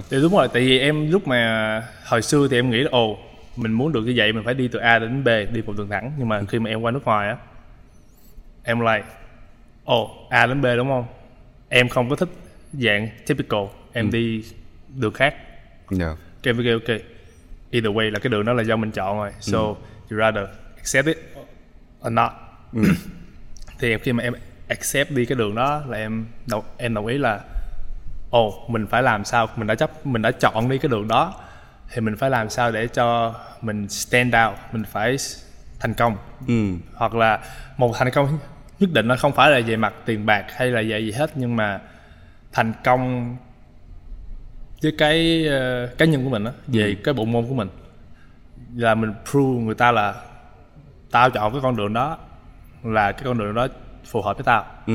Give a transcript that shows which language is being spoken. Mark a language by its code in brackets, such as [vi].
[vi] Thì đúng rồi, tại vì em lúc mà hồi xưa thì em nghĩ là mình muốn được như vậy mình phải đi từ A đến B, đi một đường thẳng. Nhưng mà khi mà em qua nước ngoài á, em like A đến B đúng không, em không có thích dạng typical, em đi đường khác. Em mới kêu ok, [en] either way [vi] là cái đường đó là do mình chọn rồi. [en] So you rather accept it or not. [vi] Thì khi mà em accept đi cái đường đó là em đồng ý là mình phải làm sao, mình đã chọn đi cái đường đó thì mình phải làm sao để cho mình stand out, mình phải thành công. Hoặc là một thành công nhất định nó không phải là về mặt tiền bạc hay là về gì hết, nhưng mà thành công với cái cá nhân của mình á, về cái bộ môn của mình, là mình prove người ta là tao chọn cái con đường đó là cái con đường đó phù hợp với tao.